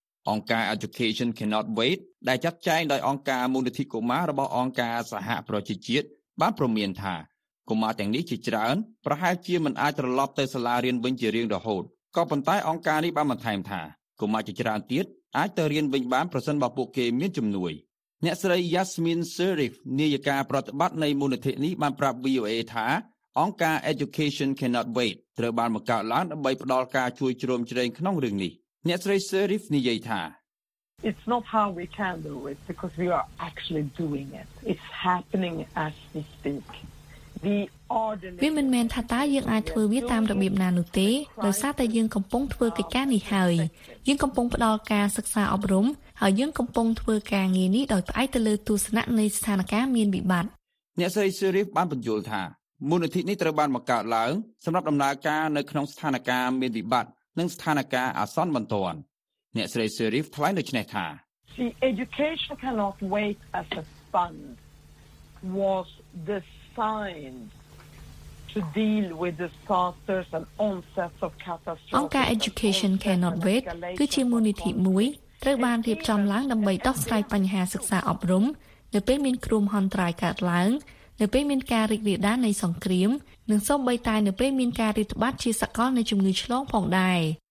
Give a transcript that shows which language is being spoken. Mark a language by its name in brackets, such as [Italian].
[Khmer] អង្គការ Education Cannot Wait ដែលចាត់ចែងដោយអង្គការមូលនិធិកុមាររបស់អង្គការសហប្រជាជាតិបានព្រមានថាកុមារទាំងនេះជាច្រើនប្រហែលជាមិនអាចត្រឡប់ទៅសាលារៀនវិញជារៀងរហូតក៏ប៉ុន្តែអង្គការនេះបានបន្ថែមថាកុមារជាច្រើនទៀតអាចទៅរៀនវិញបានប្រសិនបើពួកគេមានជំនួយ អ្នកស្រី Yasmin Sharif នាយិកាប្រតិបត្តិនៃមូលនិធិនេះបានប្រាប់ VOA ថាអង្គការ Education Cannot Wait ត្រូវបានបង្កើតឡើងដើម្បីផ្តល់ការជួយជ្រោមជ្រែងក្នុងរឿងនេះអ្នកស្រី Sharif និយាយថា [English] It's not how we can do it because we are actually doing it. It's happening as we speak. [Khmer] វាមិនមែនថាតើយើងអាចធ្វើវាតាមរបៀបណានោះទេដោយសារតែយើងកំពុងធ្វើកិច្ចការនេះហើយយើងកំពុងផ្តល់ការសិក្សាអប់រំហើយយើងកំពុងធ្វើការងារនេះដោយផ្អែកទៅលើទស្សនៈនៃស្ថានភាពមានវិបត្តិ អ្នកស្រីសេរីបានបញ្ជាក់ថាមូលនិធិនេះត្រូវបានបង្កើតឡើងសម្រាប់ដំណើរការនៅក្នុងស្ថានភាពមានវិបត្តិនិងស្ថានភាពអាសន្នបន្ទាន់អ្នកស្រីសេរីថ្លែងដូចនេះថា [English] The education cannot wait as a fund was thisTo deal with disasters and onsets of catastrophes. [Khmer] អង្គការ Education Cannot Wait គឺជាមូលនិធិមួយត្រូវបានរៀបចំឡើងដើម្បីដោះស្រាយបញ្ហាសិក្សាអប់រំនៅពេលមានគ្រោះមហន្តរាយកើតឡើងនៅពេលមានការរីករាលដាលនៃសង្គ្រាមនិងសូម្បីតែនៅពេលមានការរាតត្បាតជាសកលនៃជំងឺឆ្លងផងដែរ